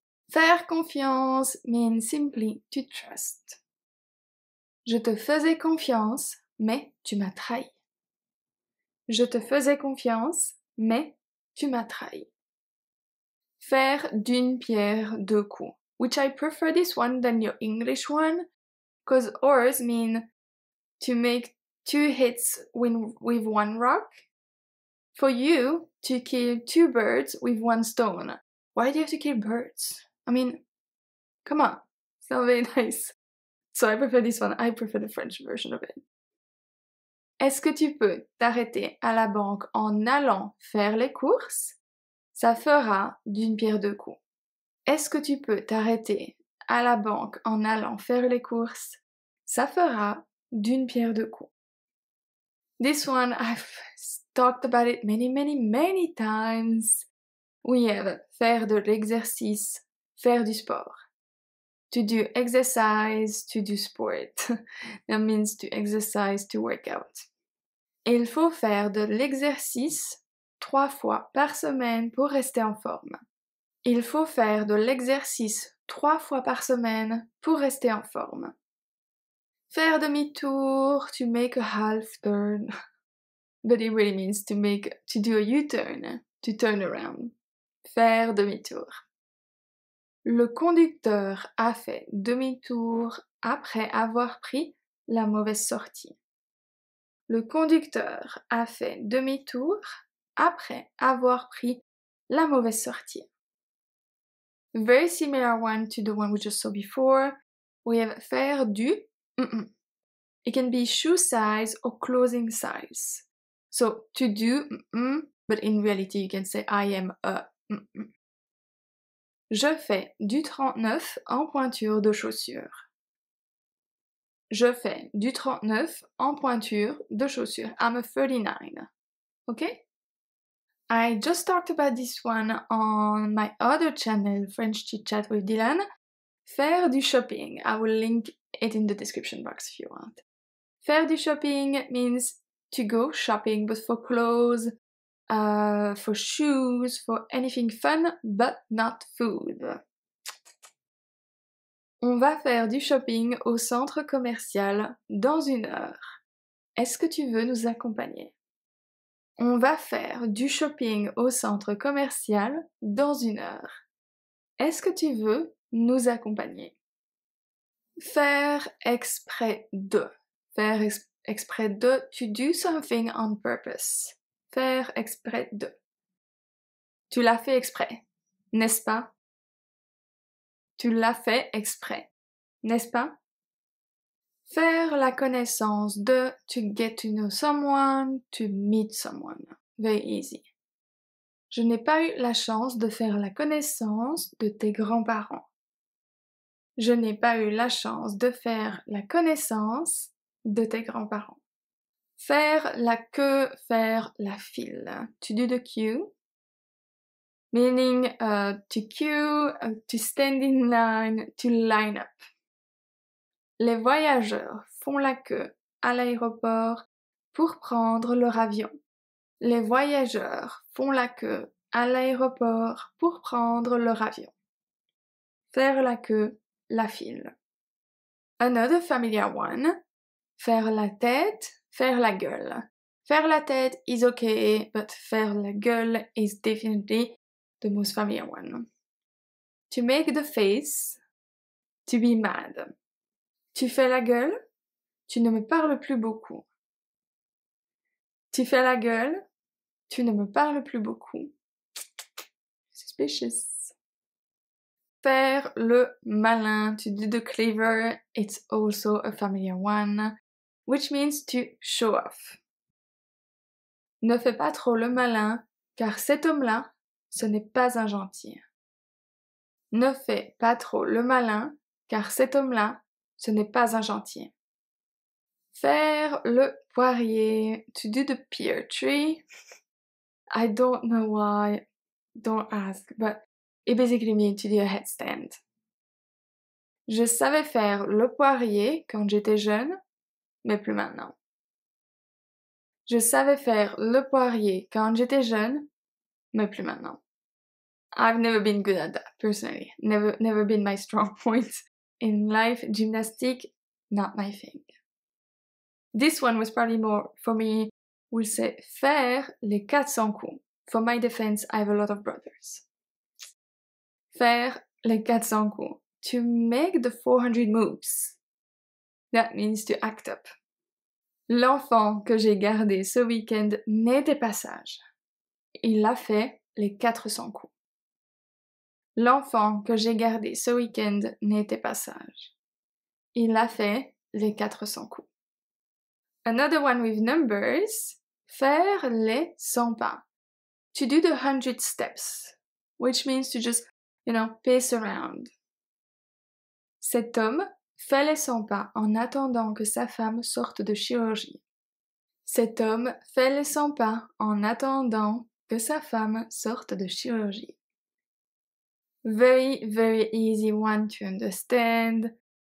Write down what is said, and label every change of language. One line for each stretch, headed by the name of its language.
French: Faire confiance
English: means simply to trust.
French: Je te faisais confiance, mais tu m'as trahi. Je te faisais confiance, mais tu m'as trahi. Faire d'une pierre deux coups.
English: Which I prefer this one than your English one, because ours mean to make two hits with one rock. For you, to kill two birds with one stone. Why do you have to kill birds? I mean, come on, it's not very nice. So I prefer this one, I prefer the French version of it.
French: Est-ce que tu peux t'arrêter à la banque en allant faire les courses? Ça fera d'une pierre deux coups. Est-ce que tu peux t'arrêter à la banque en allant faire les courses, ça fera d'une pierre deux coups.
English: This one, I've talked about it many, many, many times. We have
French: faire de l'exercice, faire du sport.
English: To do exercise, to do sport. That means to exercise, to work out.
French: Et il faut faire de l'exercice 3 fois par semaine pour rester en forme. Il faut faire de l'exercice 3 fois par semaine pour rester en forme. Faire demi-tour,
English: to make a half turn. But it really means to do a U-turn, to turn around.
French: Faire demi-tour. Le conducteur a fait demi-tour après avoir pris la mauvaise sortie. Le conducteur a fait demi-tour après avoir pris la mauvaise sortie.
English: Very similar one to the one we just saw before. We have
French: faire du.
English: It can be shoe size or clothing size. So, to do, but in reality you can say I am a.
French: Je fais du 39 en pointure de chaussure. Je fais du 39 en pointure de chaussure.
English: I'm a 39. Okay? I just talked about this one on my other channel, French Chit Chat with Dylan.
French: Faire du shopping.
English: I will link it in the description box if you want.
French: Faire du shopping
English: means to go shopping, but for clothes, for shoes, for anything fun, but not food.
French: On va faire du shopping au centre commercial dans une heure. Est-ce que tu veux nous accompagner? On va faire du shopping au centre commercial dans une heure. Est-ce que tu veux nous accompagner? Faire exprès de. Faire exprès de.
English: To do something on purpose.
French: Faire exprès de. Tu l'as fait exprès, n'est-ce pas? Tu l'as fait exprès, n'est-ce pas? Faire la connaissance de.
English: To get to know someone, to meet someone. Very easy.
French: Je n'ai pas eu la chance de faire la connaissance de tes grands-parents. Je n'ai pas eu la chance de faire la connaissance de tes grands-parents. Faire la queue, faire la file.
English: To do the queue. Meaning to queue, to stand in line, to line up.
French: Les voyageurs font la queue à l'aéroport pour prendre leur avion. Les voyageurs font la queue à l'aéroport pour prendre leur avion. Faire la queue, la file.
English: Another familiar one.
French: Faire la tête. Faire la gueule. Faire la tête
English: is okay, but
French: faire la gueule
English: is definitely the most familiar one. To make the face, to be mad.
French: Tu fais la gueule, tu ne me parles plus beaucoup. Tu fais la gueule, tu ne me parles plus beaucoup.
English: Suspicious.
French: Faire le malin,
English: to do the clever, it's also a familiar one. Which means to show off.
French: Ne fais pas trop le malin, car cet homme-là, ce n'est pas un gentil. Ne fais pas trop le malin, car cet homme-là, ce n'est pas un gentil. Faire le poirier,
English: to do the pear tree. I don't know why, don't ask, but it basically means to do a headstand.
French: Je savais faire le poirier quand j'étais jeune. Mais plus maintenant. Je savais faire le poirier quand j'étais jeune, mais plus maintenant.
English: I've never been good at that, personally. Never been my strong point in life. Gymnastics, not my thing. This one was probably more for me. We'll say
French: faire les 400 coups.
English: For my defense, I have a lot of brothers.
French: Faire les 400 coups.
English: To make the 400 moves. That means to act up.
French: L'enfant que j'ai gardé ce week-end n'était pas sage. Il a fait les 400 coups. L'enfant que j'ai gardé ce week-end n'était pas sage. Il a fait les 400 coups.
English: Another one with numbers.
French: Faire les 100 pas.
English: To do the 100 steps. Which means to just, you know, pace around.
French: Cet homme fait les 100 pas en attendant que sa femme sorte de chirurgie. Cet homme fait les 100 pas en attendant que sa femme sorte de chirurgie.
English: Very, very easy one to understand.